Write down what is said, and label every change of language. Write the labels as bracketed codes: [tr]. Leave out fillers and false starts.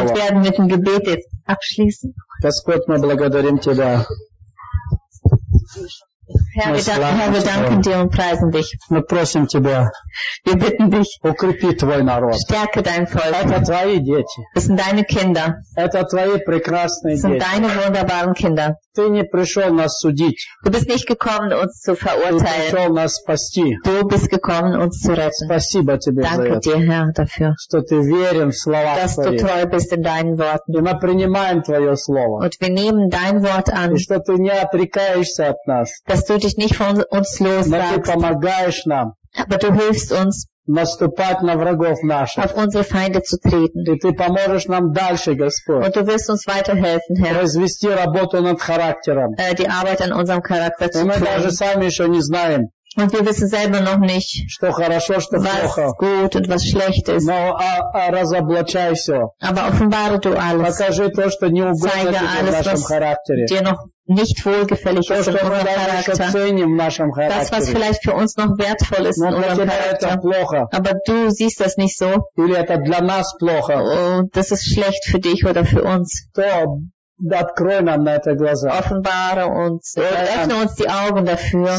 [de] Und werden mit dem Gebet jetzt abschließen. [ru] Господь, мы благодарим тебя. [de] Herr, wir danken dir und preisen dich. [ru] Мы просим тебя. [de] Wir bitten dich. [ru] Укрепи твой народ. [de] Stärke dein Volk. [ru] Это твои дети. [de] Das sind deine Kinder. [ru] Это твои прекрасные дети. [de] Das sind deine wunderbaren Kinder. [ru] Ты не пришел нас судить. [de] Du bist nicht gekommen, uns zu verurteilen. [ru] Ты пришел нас спасти. [de] Du bist gekommen, uns zu retten. [ru] Спасибо тебе [de] Danke [ru] за это. [de] Dir, Herr, dafür. [ru] Что ты верен в слова [de] dass [ru] твои. [de] Du treu bist in deinen Worten. [ru] И мы принимаем твое слово. [de] Und wir nehmen dein Wort an. [ru] И что ты не отрекаешься от нас. [de] Dass du dich nicht von uns lossagst. [ru] Но ты помогаешь нам. [de] Aber du hilfst uns. [ru] Наступать на врагов наших. [de] Auf unsere Feinde zu treten. [ru] И ты поможешь нам дальше, Господь. [de] Und du wirst uns weiterhelfen, Herr. [ru] Развести работу над характером. [de] Die Arbeit an unserem Charakter zu tun. [ru] И мы даже сами еще не знаем. [de] Und wir wissen selber noch nicht, [ru] что хорошо, что [de] was [ru] плохо. [de] Gut und was schlecht ist. [ru] Но, разоблачай все. [de] Aber offenbare du alles. [ru] Покажи то, что не угодно тебе в нашем характере. [de] Dir noch nicht wohlgefällig [ru] то, [de] ist in unserem Charakter. Das, was vielleicht für uns noch wertvoll ist [ru] Но [de] in unserem Charakter. [ru] Плохо. [de] Aber du siehst das nicht so. [ru] Или это для нас плохо. [de] Und das ist schlecht für dich oder für uns. [ru] То, открой нам на это глаза. [de] Offenbare uns, öffne uns die Augen dafür.